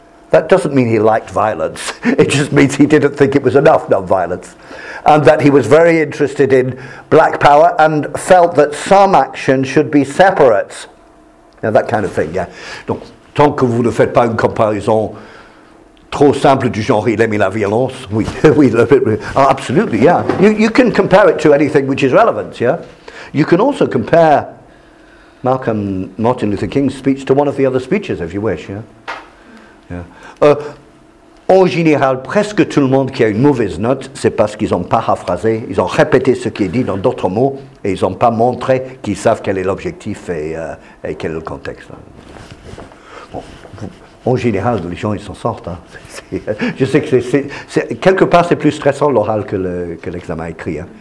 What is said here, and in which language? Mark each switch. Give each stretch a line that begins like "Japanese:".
English: That doesn't mean he liked violence. It just means he didn't think it was enough nonviolence, and that he was very interested in black power and felt that some action should be separate. Now, that kind of thing. Yeah.
French: Donc, tant que vous ne faites pas une comparaison trop simple du genre il aimait la violence,
English: absolutely, yeah. You can compare it to anything which is relevant, yeah? You can also compare Martin Luther King's speech to one of the other speeches, if you wish, yeah? Yeah.
French: En général, presque tout le monde qui a une mauvaise note, c'est parce qu'ils ont paraphrasé, ils ont répété ce qui est dit dans d'autres mots, et ils n'ont pas montré qu'ils savent quel est l'objectif et quel est le contexte. En général, les gens, ils s'en sortent. Hein. Je sais que c'est quelque part, c'est plus stressant l'oral que l'examen écrit. Hein.